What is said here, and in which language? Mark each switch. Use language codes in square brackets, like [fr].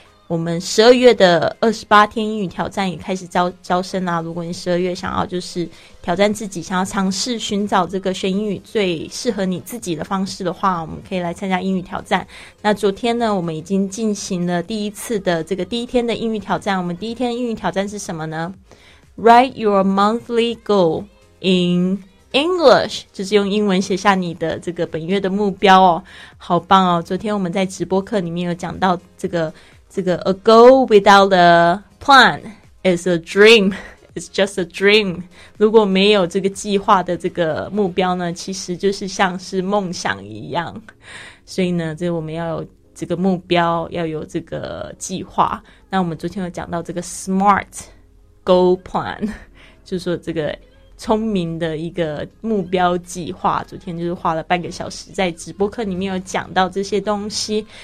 [zh] 我们12月的28天英语挑战也开始招生啦，如果你12月想要就是挑战自己，想要尝试寻找这个学英语最适合你自己的方式的话，我们可以来参加英语挑战。那昨天呢我们已经进行了第一次的这个第一天的英语挑战，我们第一天的英语挑战是什么呢？ [en] Write your monthly goal in English, [zh] 就是用英文写下你的这个本月的目标哦，好棒哦。昨天我们在直播课里面有讲到这个 [en] a goal without a plan is a dream, it's just a dream. [zh] 如果没有这个计划的这个目标呢，其实就是像是梦想一样。所以呢这个我们要有这个目标，要有这个计划。那我们昨天有讲到这个 smart goal plan, 就是说这个聪明的一个目标计划，昨天就是花了半个小时在直播课里面有讲到这些东西。